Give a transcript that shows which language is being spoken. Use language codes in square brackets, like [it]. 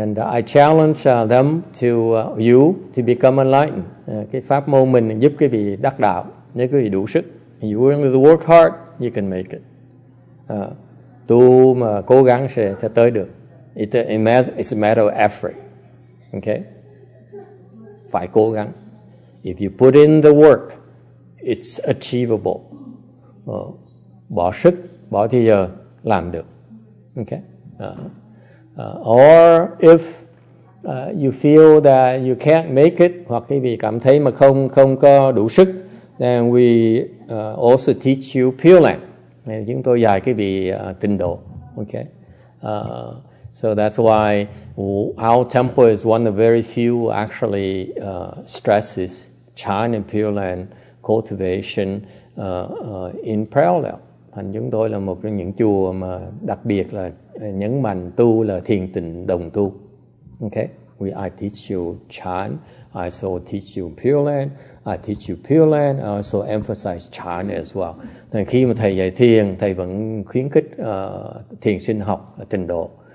[en] I challenge them to you to become enlightened. [vi] Cái pháp môn mình giúp quý vị đắc đạo nếu quý vị đủ sức. [en] You only work hard, you can make it. [vi] Tu mà cố gắng sẽ tới được. [en] It's a matter of effort. Okay? [vi] Phải cố gắng. [en] If you put in the work, it's achievable. [vi] Bỏ sức, bỏ thì giờ làm được. Okay. [en] Or if you feel that you can't make it, [vi] hoặc quý vị cảm thấy mà không có đủ sức, [en] Then we also teach you Pure Land. And [vi] chúng tôi dạy cái vị tịnh độ. [en] Okay. So that's why our temple is one of very few actually stresses Chan and Pure Land cultivation in parallel. [vi] Thành chúng tôi là một trong những chùa mà đặc biệt là nhấn mạnh tu là thiền tịnh đồng tu. [en] Okay. I teach you Chan. I also teach you Pure Land. I teach you Pure Land. I also emphasize Chan as well. [vi] Nên khi mà thầy dạy thiền, thầy vẫn khuyến khích thiền sinh học tịnh độ.